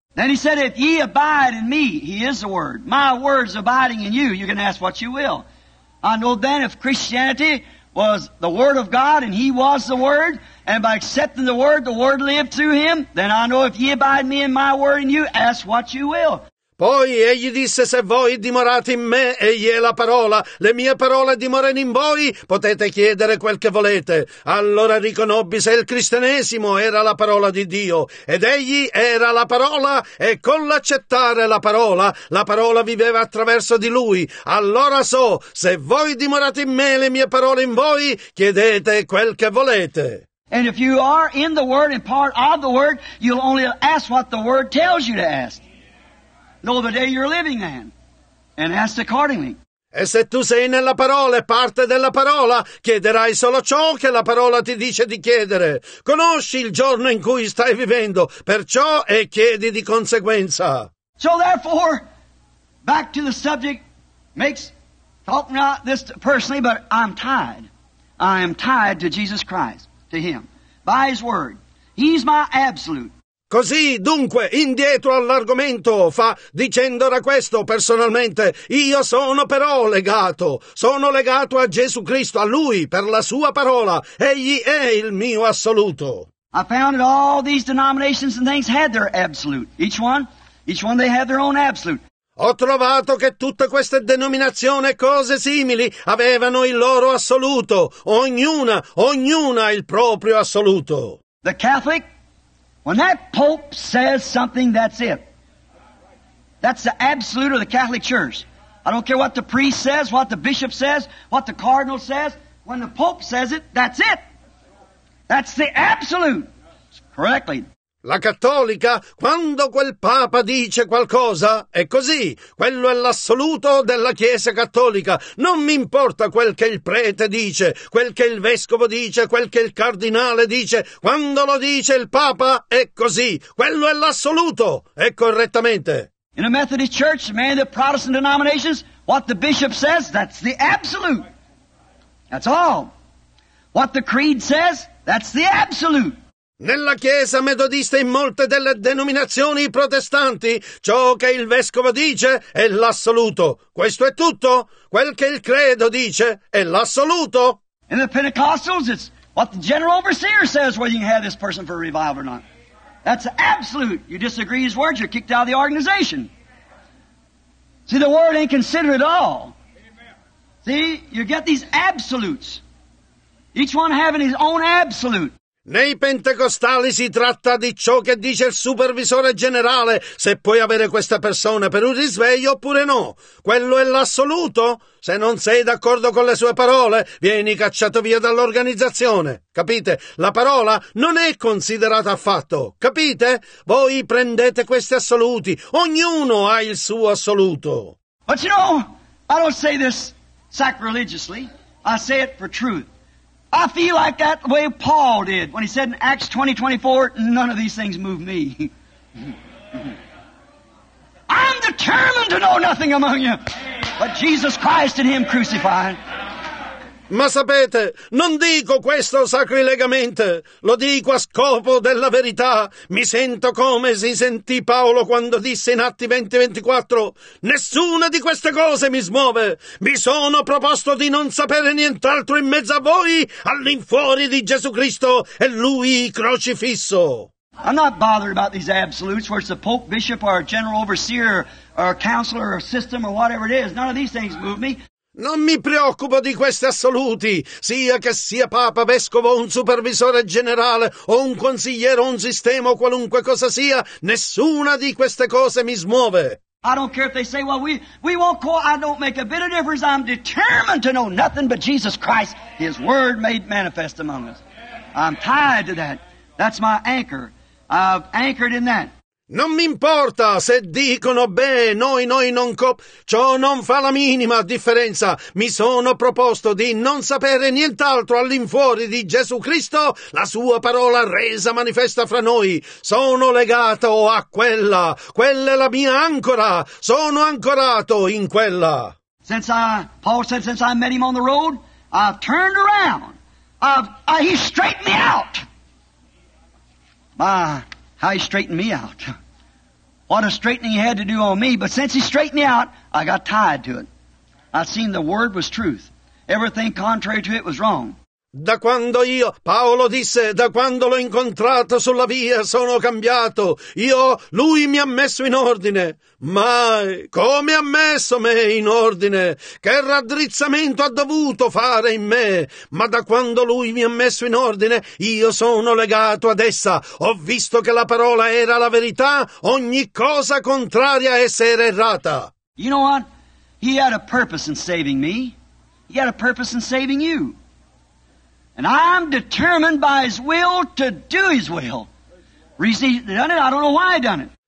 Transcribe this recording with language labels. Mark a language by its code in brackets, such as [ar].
[en] Then he said, if ye abide in me, he is the word. My words abiding in you, you can ask what you will. I know then if Christianity was the word of God and he was the word, and by accepting the word lived through him, then I know if ye abide me in my word and you, ask what you will. [it] Poi egli disse, se voi dimorate in me, egli è la parola, le mie parole dimorano in voi, potete chiedere quel che volete. Allora riconobbi se il cristianesimo era la parola di Dio, ed egli era la parola, e con l'accettare la parola viveva attraverso di lui. Allora so, se voi dimorate in me, le mie parole in voi, chiedete quel che volete. [en] And if you are in the Word and part of the Word, you'll only ask what the Word tells you to ask. Know the day you're living then, and ask accordingly. [it] E se tu sei nella parola e parte della parola, chiederai solo ciò che la parola ti dice di chiedere. Conosci il giorno in cui stai vivendo, perciò e chiedi di conseguenza. [en] So therefore, back to the subject, talk not this personally, but I'm tied. I am tied to Jesus Christ. To him, by his word. He's my absolute. [it] Così, dunque, indietro all'argomento, fa dicendo da questo personalmente, io sono però legato, sono legato a Gesù Cristo, a lui, per la sua parola, egli è il mio assoluto. [en] I found that all these denominations and things had their absolute. Each one they had their own absolute. [it] Ho trovato che tutte queste denominazioni e cose simili avevano il loro assoluto. Ognuna il proprio assoluto. [en] The Catholic, when that Pope says something, that's it. That's the absolute of the Catholic Church. I don't care what the priest says, what the bishop says, what the cardinal says. When the Pope says it. That's the absolute. Correctly. [it] La cattolica, quando quel Papa dice qualcosa, è così. Quello è l'assoluto della Chiesa cattolica. Non mi importa quel che il prete dice, quel che il vescovo dice, quel che il cardinale dice. Quando lo dice il Papa, è così. Quello è l'assoluto. È correttamente. [en] In a Methodist Church, many of the Protestant denominations, what the bishop says, that's the absolute. That's all. What the creed says, that's the absolute. [it] Nella Chiesa metodista, in molte delle denominazioni protestanti, ciò che il vescovo dice è l'assoluto. Questo è tutto. Quel che il credo dice è l'assoluto. [en] In the Pentecostals, it's what the general overseer says whether you can have this person for a revival or not. That's absolute. You disagree his words, you're kicked out of the organization. See, the word ain't considered at all. See, you get these absolutes. Each one having his own absolute. [it] Nei pentecostali si tratta di ciò che dice il supervisore generale, se puoi avere questa persona per un risveglio oppure no. Quello è l'assoluto. Se non sei d'accordo con le sue parole, vieni cacciato via dall'organizzazione. Capite? La parola non è considerata affatto. Capite? Voi prendete questi assoluti. Ognuno ha il suo assoluto. [en] But you know, I don't say this sacrilegiously. I say it for truth. I feel like that the way Paul did when he said in Acts 20:24, none of these things move me. I'm determined to know nothing among you but Jesus Christ and Him crucified. [it] Ma sapete, non dico questo sacrilegamente, lo dico a scopo della verità. Mi sento come si sentì Paolo quando disse in Atti 20:24, nessuna di queste cose mi smuove. Mi sono proposto di non sapere nient'altro in mezzo a voi all'infuori di Gesù Cristo e Lui crocifisso. [en] I'm not bothered about these absolutes, where it's the Pope, Bishop, or General Overseer, or Counselor, or System, or whatever it is. None of these things move me. [it] Non mi preoccupo di questi assoluti, sia che sia Papa, Vescovo, un supervisore generale, o un consigliere, o un sistema, o qualunque cosa sia, nessuna di queste cose mi smuove. [en] I don't care if they say, well, we won't call, I don't make a bit of difference, I'm determined to know nothing but Jesus Christ, His Word made manifest among us. I'm tied to that. That's my anchor. I've anchored in that. [it] Non mi importa se dicono beh, noi non cop, ciò non fa la minima differenza. Mi sono proposto di non sapere nient'altro all'infuori di Gesù Cristo, la sua parola resa manifesta fra noi. Sono legato a quella. Quella è la mia ancora. Sono ancorato in quella. [en] Paul said, since I met him on the road, I've turned around. He straightened me out. How he straightened me out. What a straightening he had to do on me. But since he straightened me out, I got tied to it. I seen the word was truth. Everything contrary to it was wrong. [it] Da quando io, Paolo disse, da quando l'ho incontrato sulla via, sono cambiato. Lui mi ha messo in ordine. Mai, come ha messo me in ordine? Che raddrizzamento ha dovuto fare in me? Ma da quando lui mi ha messo in ordine, io sono legato ad essa. Ho visto che la parola era la verità, ogni cosa contraria a essere errata. [en] You know what? He had a purpose in saving me. He had a purpose in saving you. And I'm determined by His will to do His will. Reason He done it, I don't know why He done it.